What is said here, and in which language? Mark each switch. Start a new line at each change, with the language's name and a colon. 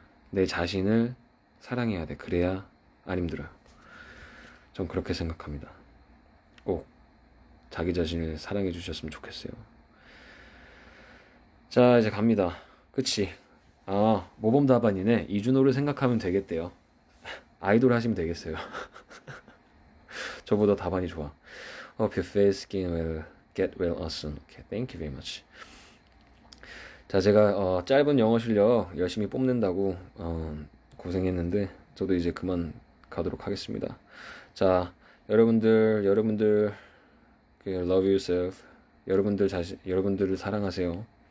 Korean: 내 자신을 사랑해야 돼. 그래야 안 힘들어요. 전 그렇게 생각합니다. 꼭 자기 자신을 사랑해 주셨으면 좋겠어요. 자, 이제 갑니다. 그치? 아, 모범 답안이네. 이준호를 생각하면 되겠대요. 아이돌 하시면 되겠어요. 저보다 답안이 좋아.
English: Hope your face skin will get well soon. Okay, thank you very much.
Korean: 자, 제가 짧은 영어 실력 열심히 뽐낸다고 고생했는데 저도 이제 그만 가도록 하겠습니다. 자, 여러분들, love yourself. 여러분들을 사랑하세요.